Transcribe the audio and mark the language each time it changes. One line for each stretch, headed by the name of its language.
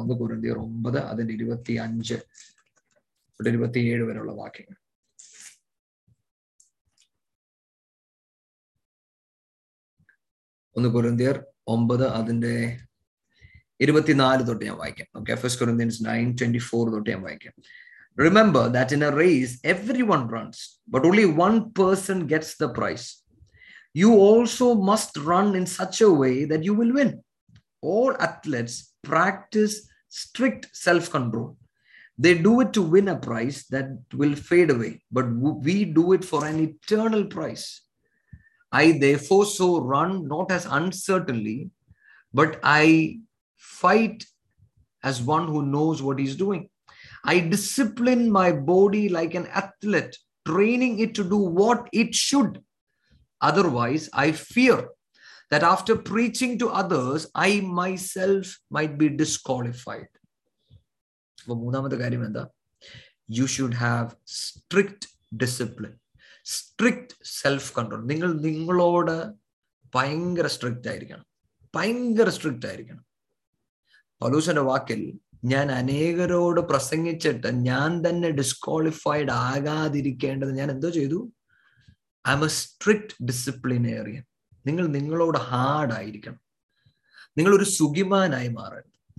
Malayalam: ഒന്ന് കൊരിന്ത്യർ 9 അതിന്റെ 25-27 വരെയുള്ള വാക്യങ്ങൾ. ഒന്ന് കൊരിന്ത്യർ 9 അതിന്റെ 24 തൊട്ട് ഞാൻ വായിക്കാം. ഓക്കെ, ഫസ്റ്റ് കൊരിന്ത്യൻസ് 9:24 തൊട്ട് ഞാൻ വായിക്കാം.
English: Remember that in a race, everyone runs, but only one person gets the prize. You also must run in such a way that you will win. All athletes practice strict self-control. They do it to win a prize that will fade away, but we do it for an eternal prize. I therefore so run not as uncertainly, but I fight as one who knows what he's doing. I discipline my body like an athlete, training it to do what it should. Otherwise, I fear that after preaching to others, I myself might be disqualified.
Malayalam: മൂന്നാമത്തെ കാര്യം എന്താ?
English: You should have strict discipline, strict self-control.
Malayalam: നിങ്ങൾ നിങ്ങളോട് ഭയങ്കര strict ആയിരിക്കണം, ഭയങ്കര strict ആയിരിക്കണം. പൗലോസിന്റെ വാക്കിൽ, ഞാൻ അനേകരോട് പ്രസംഗിച്ചിട്ട് ഞാൻ തന്നെ ഡിസ്ക്വാളിഫൈഡ് ആകാതിരിക്കേണ്ടത് ഞാൻ എന്തോ ചെയ്തു.
English: I am a strict disciplinarian.
Malayalam: നിങ്ങൾ നിങ്ങളോട് ഹാർഡായിരിക്കണം, നിങ്ങളൊരു സുഖിമാനായി മാറരുത്.